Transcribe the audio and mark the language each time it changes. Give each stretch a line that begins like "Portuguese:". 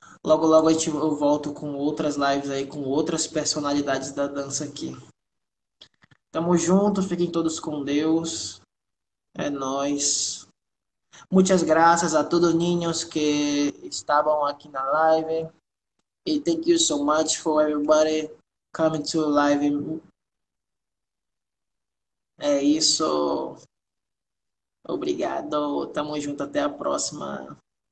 Portuguese: Logo, logo eu volto com outras lives aí, com outras personalidades da dança aqui. Tamo junto, fiquem todos com Deus. É nóis. Muitas graças a todos os ninhos que estavam aqui na live. E
English: thank you so much for everybody coming to live.
Portuguese: É isso. Obrigado. Tamo junto, até a próxima.